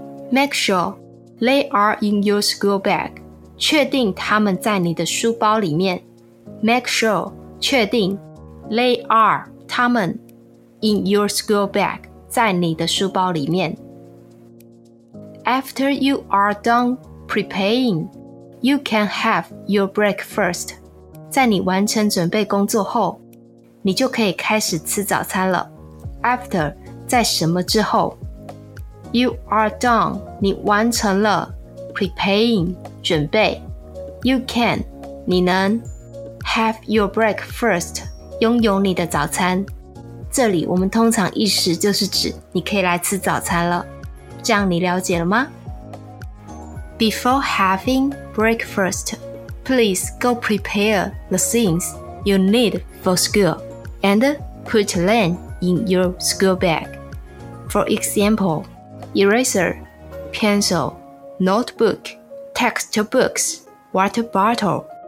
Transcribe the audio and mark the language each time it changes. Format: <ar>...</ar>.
<en>Make sure they are in your school bag</en> <zh>确定他们在你的书包里面</zh> <en>Make sure</en> <zh>确定</zh> <en>They are</en> <zh>他们</zh> <en>In your school bag</en> <zh>在你的书包里面</zh> <en>After you are done preparing You can have your breakfast</en> <zh>在你完成准备工作后你就可以开始吃早餐了</zh> <en>After</en> <zh>在什么之后</zh> <en>You are done</en> <zh>你完成了Preparing, 准备</zh> <en>You can,</en> <zh>你能</zh> <en>Have your breakfast,</en> <zh>拥有你的早餐这里我们通常意思就是指你可以来吃早餐了这样你了解了吗</zh> <en>Before having breakfast, please go prepare the things you need for school and put them in your school bag. For example, eraser, pencil,Notebook, textbooks, water bottle.</en>